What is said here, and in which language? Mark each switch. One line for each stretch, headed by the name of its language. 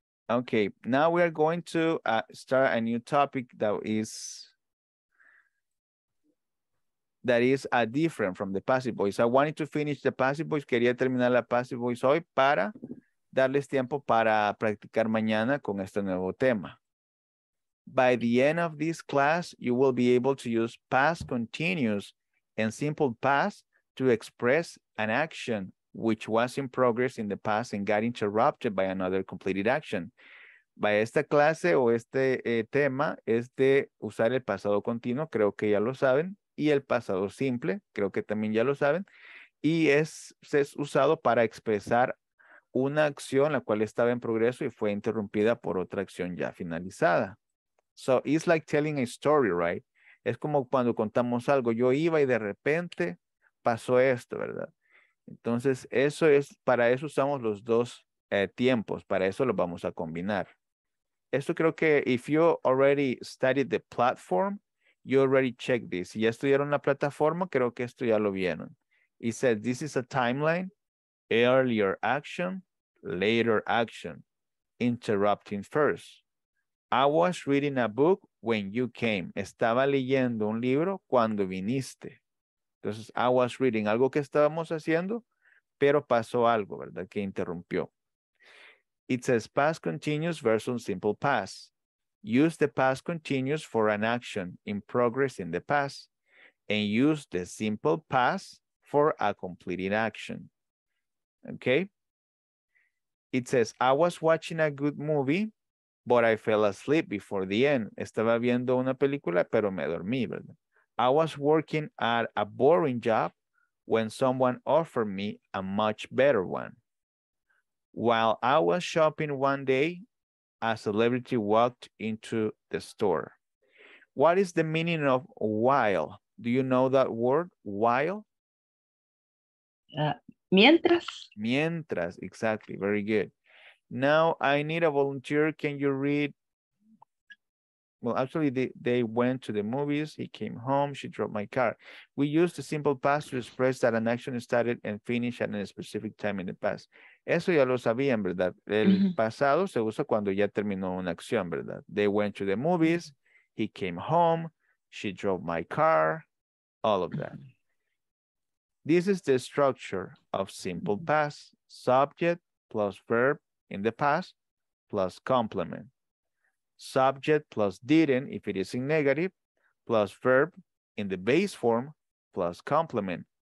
English: Okay, now we are going to start a new topic that is different from the passive voice. I wanted to finish the passive voice.
Spanish: Quería terminar la
English: passive voice
Spanish: hoy para darles tiempo para practicar mañana con este nuevo tema.
English: By the end of this class, you will be able to use past continuous and simple past to express an action which was in progress in the past and got interrupted by another completed action.
Spanish: By esta clase o este tema es de usar el pasado continuo, creo que ya lo saben, y el pasado simple, creo que también ya lo saben, y es usado para expresar una acción la cual estaba en progreso y fue interrumpida por otra acción ya finalizada.
English: So it's like telling a story, right?
Spanish: Es como cuando contamos algo. Yo iba y de repente pasó esto, ¿verdad? Entonces, eso es, para eso usamos los dos tiempos. Para eso los vamos a combinar. Esto creo que,
English: if you already studied the platform, you already checked this.
Spanish: Si ya estudiaron la plataforma, creo que esto ya lo vieron.
English: It says, this is a timeline, earlier action, later action, interrupting first. I was reading a book when you came.
Spanish: Estaba leyendo un libro cuando viniste. Entonces,
English: I was reading
Spanish: algo que estábamos haciendo, pero pasó algo, ¿verdad? Que interrumpió.
English: It says past continuous versus simple past. Use the past continuous for an action in progress in the past and use the simple past for a completed action. Okay? It says I was watching a good movie, but I fell asleep before the end. Estaba viendo una película, pero me dormí, ¿verdad? I was working at a boring job when someone offered me a much better one. While I was shopping one day, a celebrity walked into the store. What is the meaning of while? Do you know that word, while?
Spanish: Mientras. Mientras,
English: exactly, very good. Now I need a volunteer. Can you read? Well, actually they went to the movies. He came home, she dropped my car. We use the simple past to express that an action started and finished at a specific time in the past.
Spanish: Eso ya lo sabían, ¿verdad? El pasado se usa cuando ya terminó una acción, ¿verdad?
English: They went to the movies, he came home, she drove my car, all of that. This is the structure of simple past. Subject plus verb in the past plus complement. Subject plus didn't if it is in negative plus verb in the base form plus complement.